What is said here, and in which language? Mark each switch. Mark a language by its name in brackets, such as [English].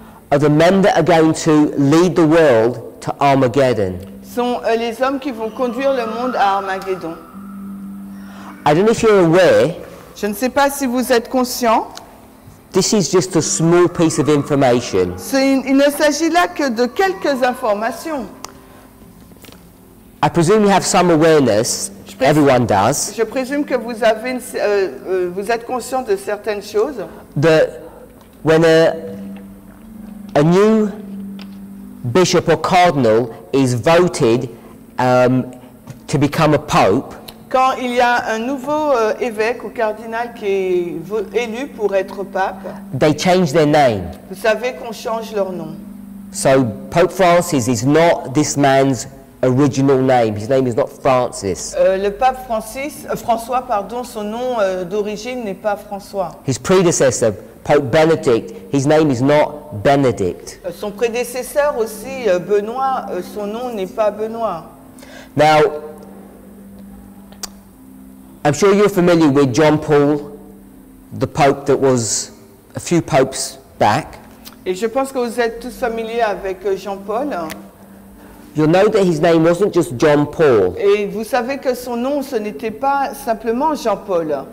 [English] are the men that are going to lead the world to Armageddon. [French] Sont les hommes qui vont conduire le monde à Armageddon. [English] I don't know if you're aware. [French] Je ne sais pas si vous êtes conscient. [English] This is just a small piece of information. [French] Il ne s'agit là que de quelques informations. [English] I presume you have some awareness. Everyone does. [French] Je présume que vous avez vous êtes conscient de certaines choses. [English] That when a new bishop or cardinal is voted to become a pope. [French] Quand il y a un nouveau évêque ou cardinal qui est élu pour être pape. [English] They change their name. [French] Vous savez qu'on change leur nom. [English] So Pope Francis is not this man's original name. His name is not Francis. [French] Le pape François, son nom d'origine n'est pas François. [English] His predecessor, Pope Benedict, his name is not Benedict. [French] Son prédécesseur aussi, Benoît, son nom n'est pas Benoît. [English] Now, I'm sure you're familiar with John Paul, the pope that was a few popes back. [French] Et je pense que vous êtes tous familiers avec Jean-Paul. [English] You know that his name wasn't just John Paul. [French] Et vous savez que son nom, ce n'était pas simplement Jean-Paul.